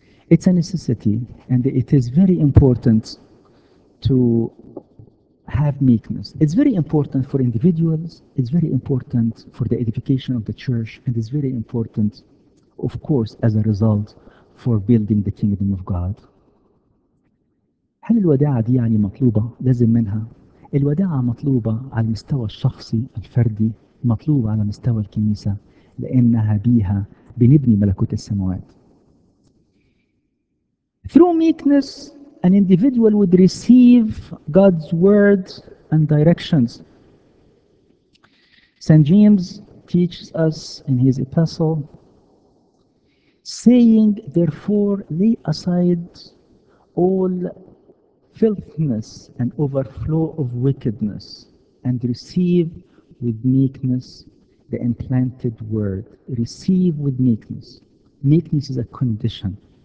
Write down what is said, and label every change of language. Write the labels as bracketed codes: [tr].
[en] It's a necessity, and it is very important to have meekness. It's very important for individuals, it's very important for the edification of the church, and it's very important, of course, as a result, for building the kingdom of God. [ar] هل الوداعة دي يعني مطلوبة؟ لازم منها. الوداعة مطلوبة على المستوى الشخصي الفردي, مطلوبة على مستوى الكنيسة, لأنها بيها بنبني ملكوت السماوات. [en] Through meekness, an individual would receive God's word and directions. St. James teaches us in his epistle, saying, "Therefore, lay aside all filthiness and overflow of wickedness, and receive with meekness the implanted word." Receive with meekness. Meekness is a condition